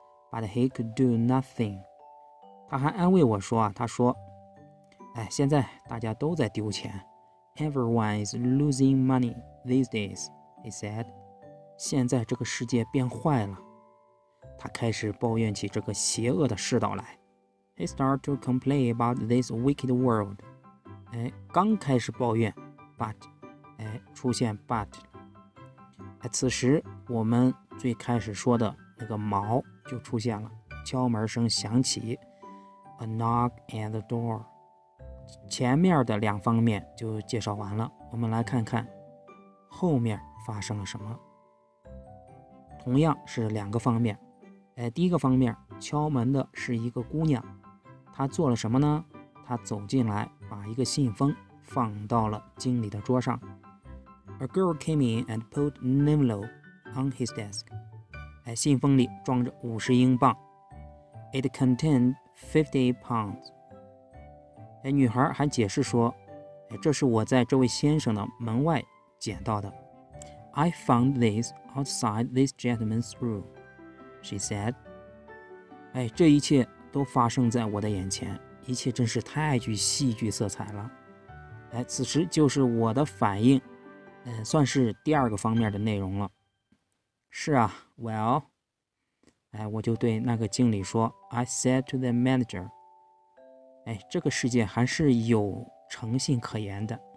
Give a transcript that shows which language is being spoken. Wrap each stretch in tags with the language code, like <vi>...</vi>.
<en>But he could do nothing。</en> <zh>他还安慰我说啊，他说，现在大家都在丢钱 ，</zh> <en>Everyone is losing money these days。 He said，</en> <zh>现在这个世界变坏了。他开始抱怨起这个邪恶的世道来。</zh> <en>He started to complain about this wicked world.</en> <zh>刚开始抱怨 ，</zh> <en>but，</en> <zh>出现 but。此时我们最开始说的那个锚就出现了，敲门声响起 ，</zh> <en>a knock at the door。</en> <zh>前面的两方面就介绍完了，我们来看看后面发生了什么。同样是两个方面，第一个方面敲门的是一个姑娘。他做了什么呢？他走进来，把一个信封放到了经理的桌上。</zh> <en>A girl came in and put an envelope on his desk.</en> <zh>信封里装着50英镑。</zh> <en>It contained 50 pounds.</en> <zh>女孩还解释说，这是我在这位先生的门外捡到的。</zh> <en>I found this outside this gentleman's room, she said.</en> <zh>这一切都发生在我的眼前，一切真是太具戏剧色彩了。此时就是我的反应，算是第二个方面的内容了。是啊 ，</zh> <en>Well，</en> <zh>我就对那个经理说 ，</zh> <en>I said to the manager，</en> <zh>这个世界还是有诚信可言的。</zh>